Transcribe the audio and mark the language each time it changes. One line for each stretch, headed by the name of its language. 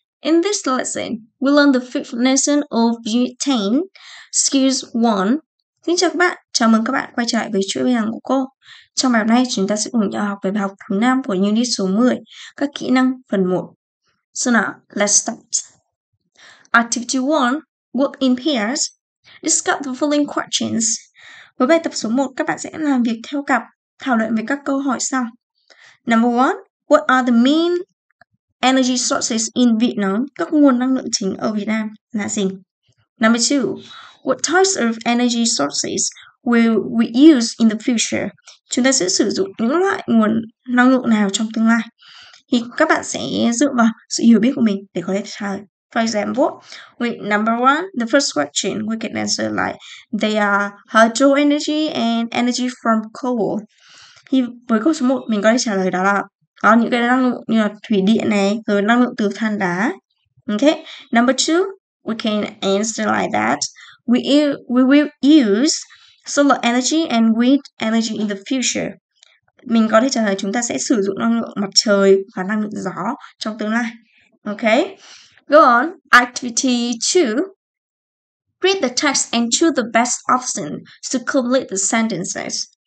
English: In this lesson, we learn the fifth lesson of Vietnam, skills 1.
Vietnamese: Xin chào các bạn, chào mừng các bạn quay trở lại với chuỗi bài học của cô. Trong bài học này, chúng ta sẽ cùng nhau học về bài học thứ 5 của unit số 10, các kỹ năng phần 1.
English: So now, let's start. Activity 1, work in pairs. Discuss the following questions.
Vietnamese: Với bài tập số 1, các bạn sẽ làm việc theo cặp, thảo luận về các câu hỏi sau.
English: Number 1, what are the main energy sources in Vietnam?
Vietnamese: Các nguồn năng lượng chính ở Việt Nam là gì?
English: Number 2, what types of energy sources will we use in the future?
Vietnamese: Chúng ta sẽ sử dụng những loại nguồn năng lượng nào trong tương lai? Thì các bạn sẽ dựa vào sự hiểu biết của mình để có thể trả lời.
English: For example, number one, the first question, we can answer like, they are hydro energy and energy from coal.
Vietnamese: Thì với câu số 1, mình có thể trả lời đó là có những cái năng lượng như là thủy điện này, rồi năng lượng từ than đá.
English: Okay, number two, we can answer like that. We will use solar energy and wind energy in the future.
Vietnamese: Mình có thể trả lời chúng ta sẽ sử dụng năng lượng mặt trời và năng lượng gió trong tương lai.
English: Okay. Go on, activity 2. Read the text and choose the best option to complete the sentences.